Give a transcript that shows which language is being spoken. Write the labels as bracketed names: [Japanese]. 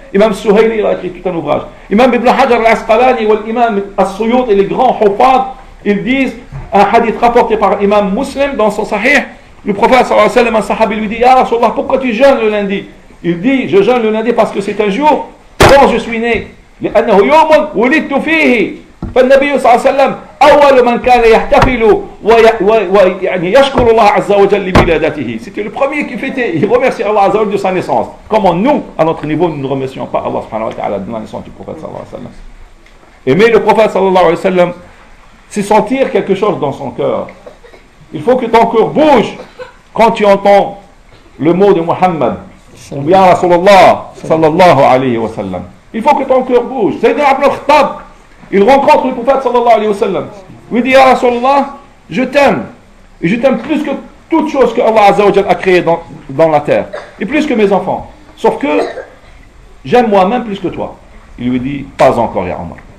[French] Imam Suhaili, il a écrit tout un ouvrage. Imam Ibn Hajar al-Asqalani et l'imam al-Suyuti et les grands Hufaz, ils disent un hadith rapporté par Imam Muslim dans son sahih. Le prophète sallallahu alayhi wa sallam, un sahabi lui dit, Ya Rasulallah, pourquoi tu jeûnes le lundi? Il dit, je jeûne le lundi parce que c'est un jour dont je suis né. [Arabic] لأنه يوم ولدت فيه. فالنبي صلى الله عليه وسلم أول من كان يحتفل ويعني يشكر الله عز وجل لولادته. [French] C'était le premier qui fêtait. Il remerciait Allah عز وجل de sa naissance. Comment nous, à notre niveau, nous ne remercions pas Allah سبحانه وتعالى de la naissance du prophète صلى الله عليه وسلم. Aimer le prophète صلى الله عليه وسلم, c'est sentir quelque chose dans son cœur. Il faut que ton cœur bouge quand tu entends le mot de Muhammad. [Arabic] Ya Rasulallah صلى الله عليه وسلم. [French] Il faut que ton cœur bouge. Sayyidina Abdul Khattab. Il rencontre le prophète sallallahu alayhi wa sallam. Il dit, Ya Rasulallah, je t'aime. Et je t'aime plus que toute chose que Allah Azza wa Jal a créée dans la terre. Et plus que mes enfants. Sauf que, j'aime moi-même plus que toi. Il lui dit, pas encore, Ya Omar.